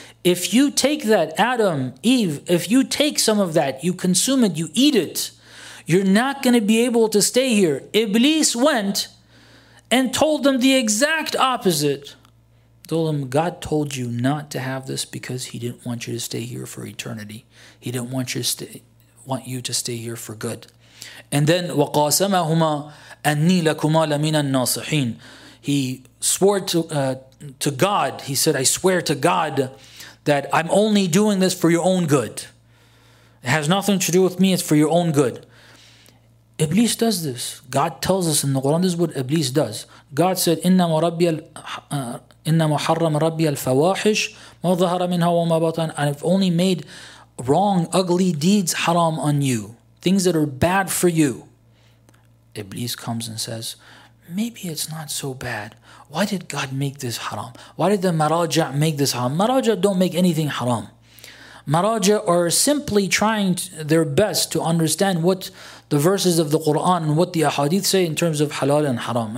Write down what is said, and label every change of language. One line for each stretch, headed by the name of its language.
English: If you take that, Adam, Eve, if you take some of that, you consume it, you eat it, you're not going to be able to stay here. Iblis went and told them the exact opposite. Told them, God told you not to have this because he didn't want you to stay here for eternity. He didn't want you to stay here for good. And then,
Arabic: وَقَاسَمَهُمَا أَنِّي لَكُمَا لَمِنَ النَّاصِحِينَ.
English: He swore to God, he said, I swear to God, that I'm only doing this for your own good. It has nothing to do with me, it's for your own good. Iblis does this. God tells us in the Quran, this is what Iblis does. God said,
Arabic: إِنَّمَا حَرَّمَ رَبِّيَ الْفَوَاحِشِ مَا ظَهَرَ مِنْهَا وَمَا بَطَنَ.
English: I've only made wrong, ugly deeds haram on you. Things that are bad for you. Iblis comes and says, maybe it's not so bad. Why did God make this haram? Why did the maraja make this haram? Maraja don't make anything haram. Maraja are simply trying their best to understand what the verses of the Quran and what the ahadith say in terms of halal and haram.